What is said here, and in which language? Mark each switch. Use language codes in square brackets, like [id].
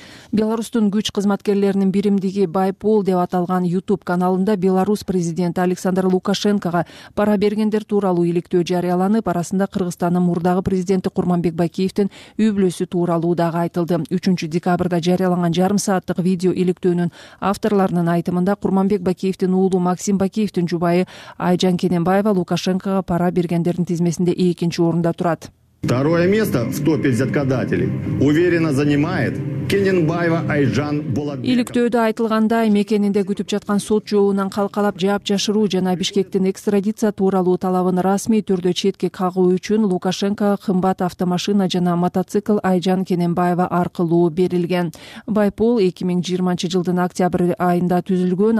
[ky] Беларусьтун күч кызматкерлеринин биримдиги Байпол деп аталган YouTube каналында Беларусь президенти Александр Лукашенкога пара бергендер тууралуу иликтөө жарыяланып, арасында Кыргызстандын мурдагы президенти Курманбек Байкеевтин үй бүлөсү тууралуу дагы айтылды. 3-декабрда жарыяланган жарым сааттык видео иликтөөнүн авторлорунун айтымында Курманбек Байкеевтин уулу Максим Байкеевтин жубайы Айжан Кененбаева Лукашенкога пара бергендердин тизмесинде 2-нчи орунда турат. [ru] Второе место в топе взяткодателей уверенно занимает Кененбаева Айжан Булатбекова. [ky] Иликтөөдө айтылгандай, мекенинде күтүп жаткан сот жообунан калкалап жаап жашыруу жана Бишкектин экстрадиция тууралуу талабын расмий түрдө четке кагуу үчүн Лукашенко кымбат автомашина жана мотоцикл Айжан Кененбаева аркылуу берилген. Байпол 2020 жылдын октябрь айында түзүлгөн.